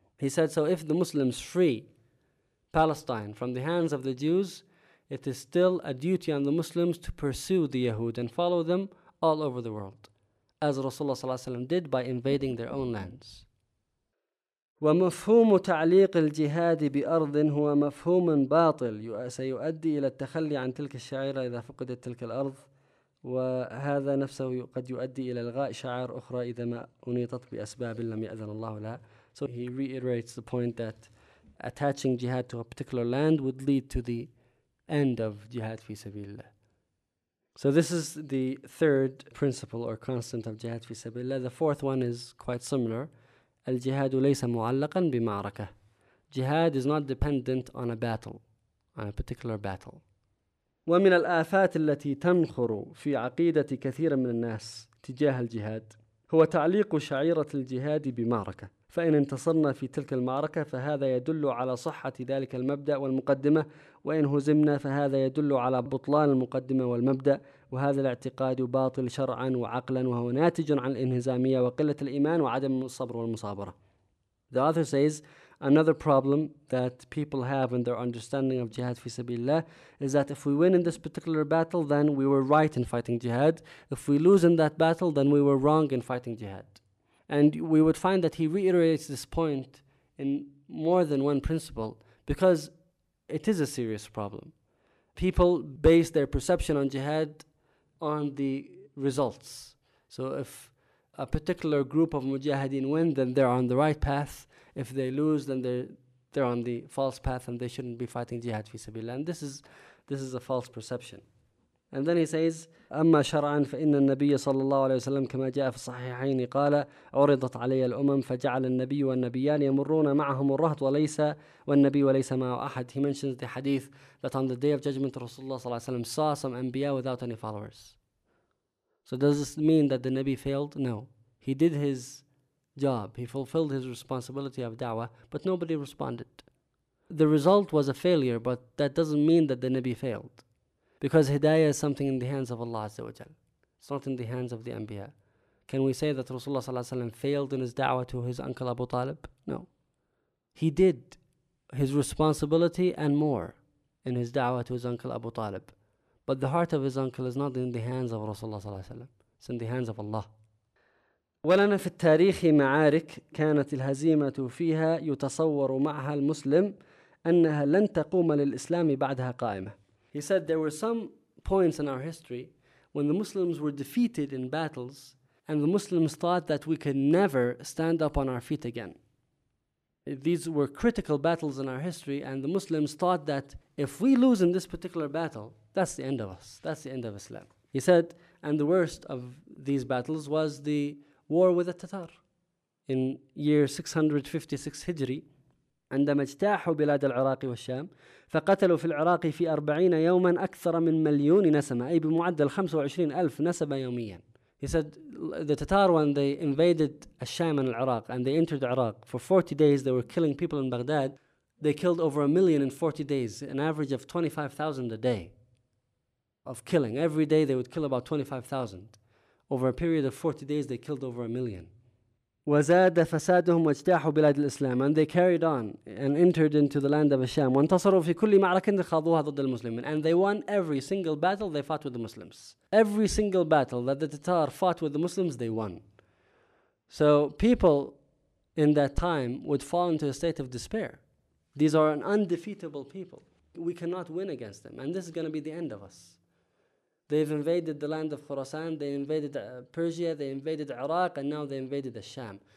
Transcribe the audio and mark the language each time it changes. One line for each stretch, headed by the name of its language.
English: He said, so if the Muslims free Palestine from the hands of the Jews, it is still a duty on the Muslims to pursue the Yahud and follow them all over the world, as Rasulullah
Arabic: صلى الله عليه وسلم
English: did by invading their own lands.
Arabic: ومفهوم تعليق الجهاد بأرض هو مفهوم باطل سيؤدي إلى التخلي عن تلك الشعيرة إذا فقدت تلك الأرض وهذا نفسه قد يؤدي إلى إلغاء شعائر أخرى إذا ما أنيطت بأسباب لم يأذن الله لها.
English: So he reiterates the point that attaching jihad to a particular land would lead to the end of jihad fi sabilillah. So this is the third principle or constant of jihad fi sabilillah. The fourth one is quite similar.
Arabic: الجهاد ليس معلقا بمعركة.
English: Jihad is not dependent on a battle, on a particular battle.
Arabic: ومن الآفات التي تنخر في عقيدة كثير من الناس تجاه الجهاد هو تعليق شعيرة الجهاد بمعركة. فإن انتصرنا في تلك المعركة فهذا يدل على صحة ذلك المبدأ والمقدمة وإن هزمنا فهذا يدل على بطلان المقدمة والمبدأ وهذا الاعتقاد باطل شرعا وعقلا وهو ناتج عن الانهزامية وقلة الإيمان وعدم الصبر والمصابرة.
English: The author says, another problem that people have in their understanding of jihad fi sabilillah is that if we win in this particular battle, then we were right in fighting jihad. If we lose in that battle, then we were wrong in fighting jihad. And we would find that he reiterates this point in more than one principle because it is a serious problem. People base their perception on jihad on the results. So if a particular group of mujahideen win, then they're on the right path. If they lose, then they're on the false path and they shouldn't be fighting jihad fi sabilillah. And this is a false perception. And then he says,
Arabic: أما شرعا فإن النبي صلى الله عليه وسلم كما جاء في الصحيحين قال عرضت علي الأمم فجعل النبي والنبيان يمرون معهم الرهط وليس والنبي وليس معه أحد.
English: He mentions the hadith that on the day of judgment Rasulullah
Arabic: صلى الله عليه وسلم
English: saw some انبياء without any followers. So does this mean that the Nabi failed? No. He did his job. He fulfilled his responsibility of da'wah, but nobody responded. The result was a failure, but that doesn't mean that the Nabi failed. Because hidayah is something in the hands of Allah Azza wa Jal. It's not in the hands of the anbiya. Can we say that Rasulullah sallallahu alayhi wa sallam failed in his da'wah to his uncle Abu Talib? No. He did his responsibility and more in his da'wah to his uncle Abu Talib. But the heart of his uncle is not in the hands of Rasulullah sallallahu alayhi wa sallam. It's in the hands of Allah.
Arabic: ولنا في التاريخ معارك كانت الهزيمة فيها يتصور معها المسلم أنها لن تقوم للإسلام بعدها قائمة.
English: He said there were some points in our history when the Muslims were defeated in battles and the Muslims thought that we could never stand up on our feet again. these were critical battles in our history, and the Muslims thought that if we lose in this particular battle, that's the end of us. That's the end of Islam. He said, and the worst of these battles was the war with the Tatar in year 656 Hijri.
Arabic: عندما اجتاحوا بلاد العراق والشام فقتلوا في العراق في 40 يوما أكثر من مليون نسمة أي بمعدل 25,000 نسمة يوميا.
English: He said the Tatar, when they invaded Al-Sham and Iraq and they entered Iraq, for 40 days they were killing people in Baghdad. They killed over a million in 40 days, an average of 25,000 a day of killing. Every day they would kill about 25,000. Over a period of 40 days they killed over a million.
Arabic: وزاد فسادهم واجتاحوا بلاد الإسلام.
English: And they carried on and entered into the land of Al-Sham.
Arabic: وانتصروا في كل معركة خاضوها ضد المسلمين.
English: And they won every single battle they fought with the Muslims. Every single battle that the Tatar fought with the Muslims, they won. So people in that time would fall into a state of despair. These are an undefeatable people. We cannot win against them. And this is going to be the end of us. They've invaded the land of Khorasan, they invaded Persia, they invaded Iraq, and now they invaded Al-Sham.